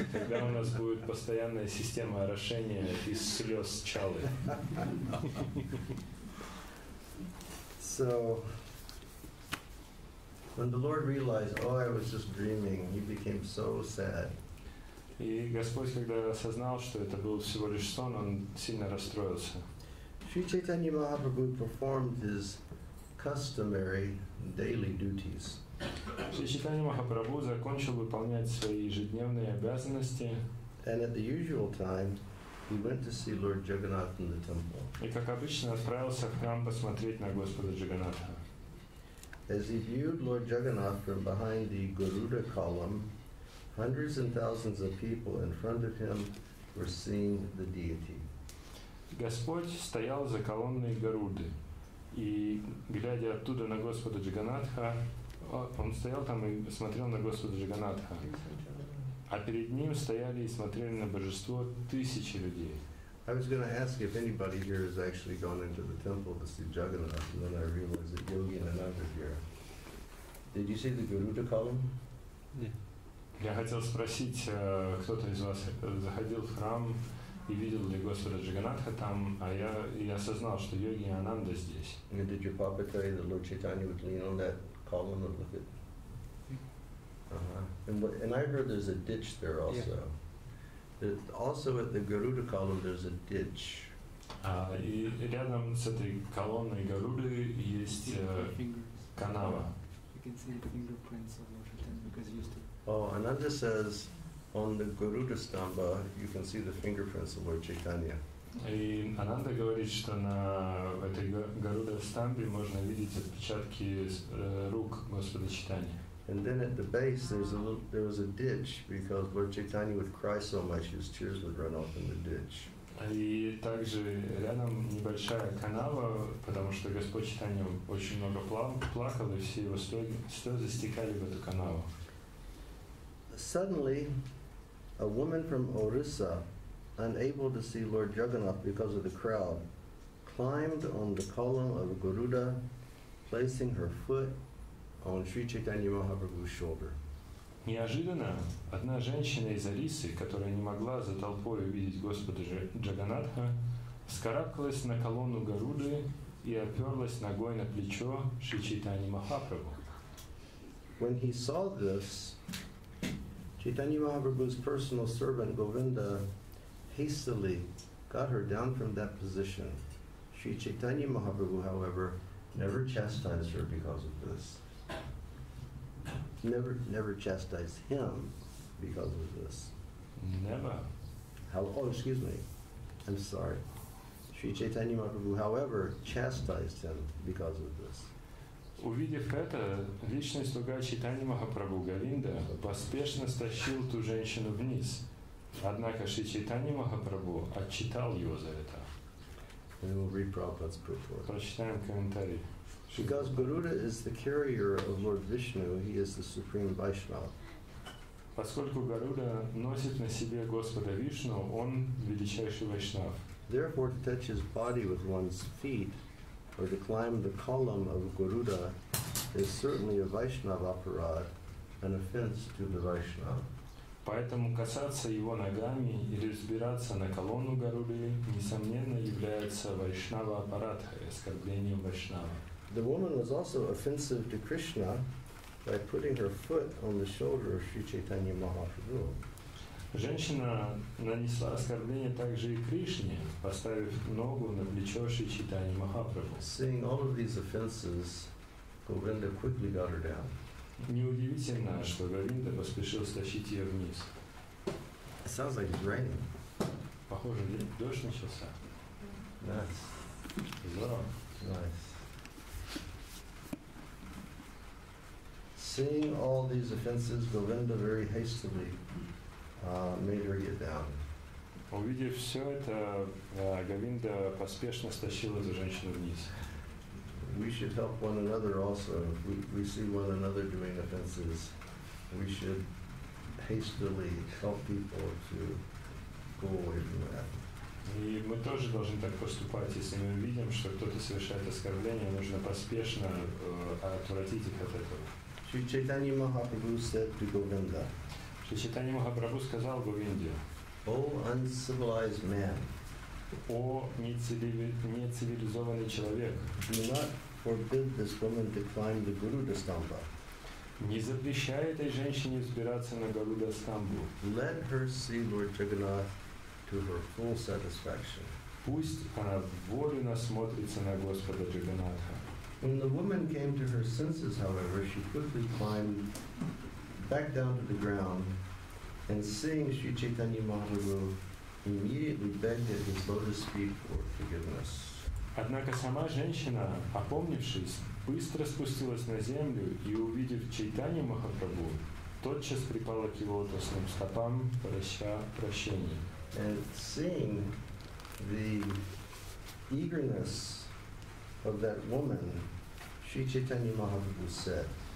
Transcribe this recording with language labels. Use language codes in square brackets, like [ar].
[ru] Тогда у нас будет постоянная система орошения из слез Чалы. [en] So when the Lord realized, oh, I was just dreaming, he became so sad. [ru] И Господь, когда осознал, что это был всего лишь сон, он сильно расстроился. [en] Sri Chaitanya Mahaprabhu performed his customary daily duties. [ru] Sri Chaitanya Mahaprabhu закончил выполнять свои ежедневные обязанности. [en] And at the usual time, he went to see Lord Jagannath in the temple. [ru] И как обычно отправился в храм посмотреть на Господа Джаганнатха. [en] As he viewed Lord Jagannath from behind the Garuda column, hundreds and thousands of people in front of him were seeing the deity. [ru] Господь стоял за колонной Гаруды, и глядя оттуда на Господа Джаганнатха, он стоял там и смотрел на Господа Джаганнатха. А перед ним стояли и смотрели на божество тысячи людей. [en] I was going to ask if anybody here has actually gone into the temple to see Jagannath, and then I realized that Yogi and Anand are here. Did you see the Garuda column? [ru] Yeah. Я хотел спросить, кто-то из вас заходил в храм и видел ли Господа Джаганнатха там, а я осознал, что Йоги и Ананда здесь. [en] And did your papa tell you that Lord Chaitanya would lean on that column and look at? And I heard there's a ditch there also. Yeah. Also at the Garuda column, there's a ditch. [ru] И рядом с этой колонной Гаруды есть канава. [en] You can see the fingerprints of Lord Chaitanya because he used to. Oh, Ananda says, on the Garuda stamba, you can see the fingerprints of Lord Chaitanya. [ru] И Ананда говорит, что на этой Гаруда стамбе можно видеть отпечатки рук Господа Чайтаньи. [en] And then at the base, there was a ditch because Lord Chaitanya would cry so much, his tears would run off in the ditch. [ru] И также рядом небольшая канава, потому что Господь Чайтанья очень много плакал, и все его слезы стекали в эту канаву. [en] Suddenly, a woman from Orissa, unable to see Lord Jagannath because of the crowd, climbed on the column of Garuda, placing her foot on Sri Chaitanya Mahaprabhu's shoulder. [ru] Неожиданно одна женщина из Орисы, которая не могла за толпой увидеть Господа Джаганнатха, вскарабкалась на колонну Гаруды и оперлась ногой на плечо Шри Чайтаньи Махапрабху. [en] When he saw this, Chaitanya Mahaprabhu's personal servant Govinda hastily got her down from that position. Sri Chaitanya Mahaprabhu, however, never chastised her because of this. Never chastise him because of this. Never. Sri Chaitanya Mahaprabhu, however, chastised him because of this. [ru] Увидев это, личный слуга Чайтаньи Махапрабху Говинда поспешно стащил ту женщину вниз. Однако Шри Чайтанья Махапрабху отчитал его за это. [en] And we'll read Prabhupada's purport. [ru] Прочитаем комментарий. [en] Because Garuda is the carrier of Lord Vishnu, he is the supreme Vaishnava. [ru] Поскольку Гаруда носит на себе Господа Вишну, он величайший Вайшнав. [en] Therefore, to touch his body with one's feet, or to climb the column of Garuda, is certainly a Vaishnava aparad, an offense to the Vaishnava. [ru] Поэтому касаться его ногами или взбираться на колонну Гаруды, несомненно, является вайшнава апарадхой, оскорблением вайшнава. [en] The woman was also offensive to Krishna by putting her foot on the shoulder of Sri Chaitanya Mahaprabhu. [ru] Женщина нанесла оскорбление также и Кришне, поставив ногу на плечо Шри Чайтаньи Махапрабху. [en] Seeing all of these offenses, Govinda quickly got her down. [ru] Неудивительно, что Говинда поспешил стащить ее вниз. [en] It sounds like it's raining. [ru] Похоже, дождь начался. [en] That's bizarre. Nice. Seeing all these offenses, Govinda very hastily made her get down. [ru] Увидев все это, Говинда поспешно стащил эту женщину вниз. [en] We should help one another also. If we see one another doing offenses, we should hastily help people to go away from that. [ru] И мы тоже должны так поступать. Если мы видим, что кто-то совершает оскорбление, нужно поспешно отвратить их от этого. [en] Sri Chaitanya Mahaprabhu said to Govinda. [ru] Sri Chaitanya Mahaprabhu сказал Говинде. [en] O uncivilized man. [ru] О нецивилизованный человек. [en] Do not forbid this woman to climb the Garuda Stamba. [ru] Не запрещай этой женщине взбираться на Garuda Stambu. [en] Let her see Lord Jagannath to her full satisfaction. [ru] Пусть она вволю насмотрится на Господа Джаганнатха. [en] When the woman came to her senses, however, she quickly climbed back down to the ground and seeing Sri Chaitanya Mahaprabhu, immediately begged at his lotus feet for forgiveness. [ru] Однако сама женщина, опомнившись, быстро спустилась на землю и, увидев Чайтанью Махапрабху, тотчас припала к его лотосным стопам, прося прощения. [en] And seeing the eagerness of that woman, Sri Chaitanya Mahaprabhu said,